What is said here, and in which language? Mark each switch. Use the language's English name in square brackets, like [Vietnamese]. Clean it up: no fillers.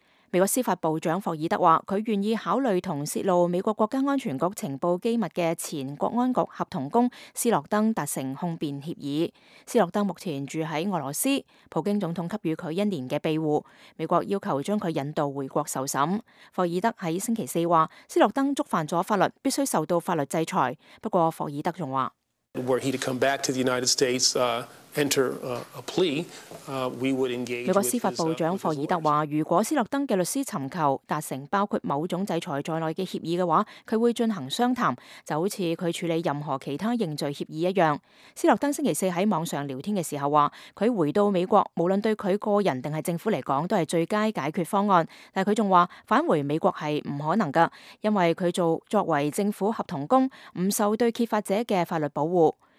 [Chinese] 美国司法部长霍尔德说，他愿意考虑同泄露美国国家安全局情报机密的前国安局合同工斯诺登达成控辩协议。斯诺登目前住在俄罗斯，普京总统给予他一年的庇护，美国要求将他引渡回国受审。霍尔德在星期四说，斯诺登触犯了法律，必须受到法律制裁。不过霍尔德还说， [English] Were he to come back to the United States, enter a plea, we would engage with his [Chinese] 美国司法部长霍尔德说，如果斯诺登的律师寻求达成包括某种制裁在内的协议的话，他会进行商谈，就好像他处理任何其他认罪协议一样。斯诺登星期四在网上聊天的时候说，他回到美国无论对他个人还是政府来说都是最佳解决方案，但他还说返回美国是不可能的，因为他作为政府合同工不受对揭发者的法律保护。